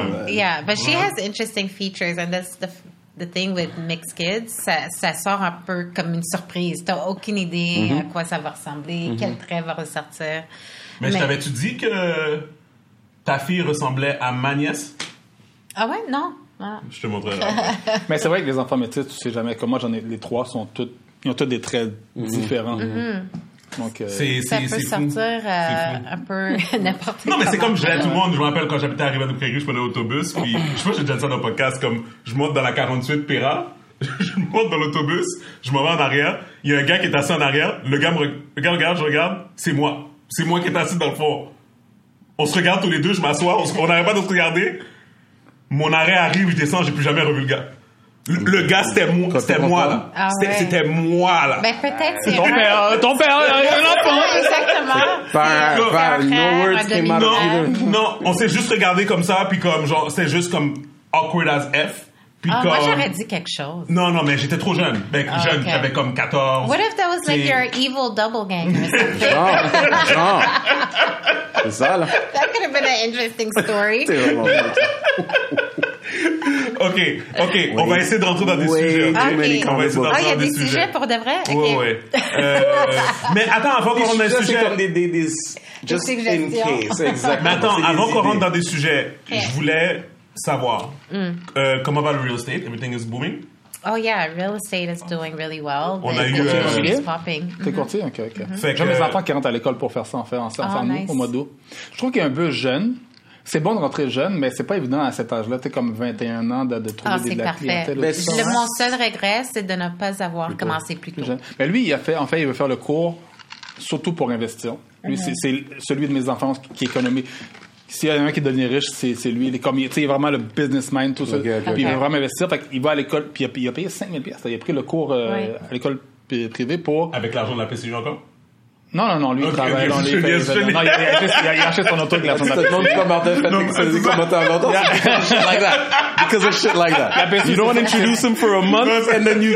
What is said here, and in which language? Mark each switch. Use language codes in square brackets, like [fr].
[en] Yeah, but she has interesting features, and that's the... The thing with mixed kids, [fr] ça sort un peu comme une surprise. T'as aucune idée à quoi ça va ressembler, quel trait va ressortir. Mais t'avais-tu dit que ta fille ressemblait à ma nièce? Ah ouais? Non. Ah. Je te montrerai. Mais c'est vrai que les enfants métis, tu sais jamais. Comme moi, j'en ai, les trois sont toutes, ils ont tous des traits différents. Donc, c'est un peu non, mais c'est comme je disais à tout le monde, je me rappelle quand j'habitais à Rivière-du-Prairie, je prenais l'autobus, puis je sais pas, j'ai déjà dit ça dans le podcast, comme je monte dans la 48 Péra, je monte dans l'autobus, je m'en vais en arrière, il y a un gars qui est assis en arrière, le gars regarde, c'est moi qui est assis dans le fond, on se regarde tous les deux, je m'assois, on n'arrête pas de se regarder, mon arrêt arrive, je descends, j'ai plus jamais revu le gars. Le gars, c'était moi, là. Ah ouais. C'était moi, là. Ben, peut-être, c'est ton père, un enfant. Exactement. [en] Par no words came out of [fr] Non, on s'est juste regardé comme ça, puis comme, genre, c'était juste comme [en] awkward as F. [fr] Puis comme... moi, j'aurais dit quelque chose. Non, non, mais j'étais trop jeune. Ben, jeune, okay. J'avais comme 14. [en] What if that was like your evil double gang or something? [fr] Genre. C'est ça, là. [en] That could have been an interesting story. [fr] C'est vraiment OK, OK, oui. On va essayer de rentrer dans des sujets. Okay. On va essayer d'entrer dans des sujets. Ah, il y a des sujets pour de vrai? Okay. Oui, oui. mais attends, avant qu'on rentre dans des sujets... Des [en] just in case. [fr] Exactement. Mais attends, avant qu'on rentre dans des sujets, je voulais... savoir. Comment va le real estate? [en] Everything is booming? Oh yeah, real estate is doing really well. [fr] On a eu... T'es courtier? OK, OK. Mm-hmm. J'ai mes enfants qui rentrent à l'école pour faire ça, en fait, en fin nice. Au mois d'août. Je trouve qu'il y a un buzz jeune. C'est bon de rentrer jeune, mais c'est pas évident à cet âge-là. T'es comme 21 ans de trouver de la parfait. Clientèle. Ben, aussi, le, mon seul regret, c'est de ne pas avoir plus commencé plus tôt. Jeune. Mais lui, il veut faire le cours surtout pour investir. Lui, mm-hmm. c'est celui de mes enfants qui économise... S'il y a un qui est devenu riche, c'est lui. Comme, il est vraiment le businessman, tout ça. Okay, okay. Puis il veut vraiment investir. Fait qu'il va à l'école, puis il a payé 5 000 piastres. Il a pris le cours à l'école privée pour... Avec l'argent de la PCU encore? Non, non, non, lui, il travaille dans les pays. Non, il achète son auto avec l'argent de la PCU. C'est le nom de Martin Fenton qui se dit [en] because of shit like that. You don't want to introduce him for a month and then you...